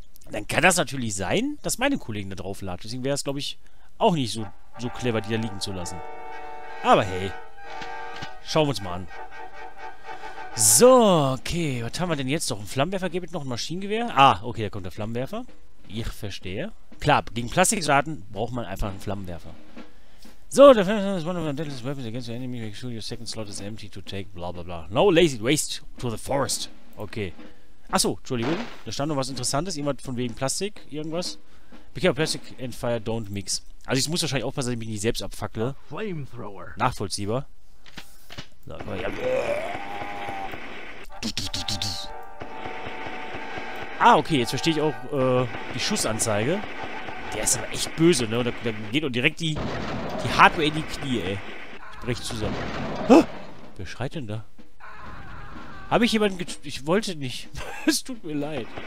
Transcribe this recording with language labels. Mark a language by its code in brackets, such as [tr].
[de] Dann kann das natürlich sein, dass meine Kollegen da drauf laden. Deswegen wäre es, glaube ich, auch nicht so clever, die da liegen zu lassen. Aber hey. Schauen wir uns mal an. So, okay. Was haben wir denn jetzt noch? Ein Flammenwerfer gibt noch ein Maschinengewehr? Ah, okay, da kommt der Flammenwerfer. Ich verstehe. Klar, gegen Plastiksoldaten braucht man einfach einen Flammenwerfer. [en] So, der Flammenwerfer ist one of the deadliest weapons against the enemy. Make sure your second slot is empty to take, bla bla bla. No lazy waste to the forest. [de] Okay. Achso, Entschuldigung, da stand noch was Interessantes. Irgendwas von wegen Plastik, irgendwas. [en] Be careful, Plastic and Fire don't mix. [de] Also ich muss wahrscheinlich aufpassen, dass ich mich nicht selbst abfackle. [en] Flamethrower. [de] Nachvollziehbar. So, komm mal hier. Ah, okay, jetzt verstehe ich auch die Schussanzeige. Der ist aber echt böse, ne? Und da geht auch direkt die Hardware in die Knie, ey. Ich brech zusammen. Huh? Wer schreit denn da? Habe ich jemanden getötet? Ich wollte nicht. Es tut mir leid.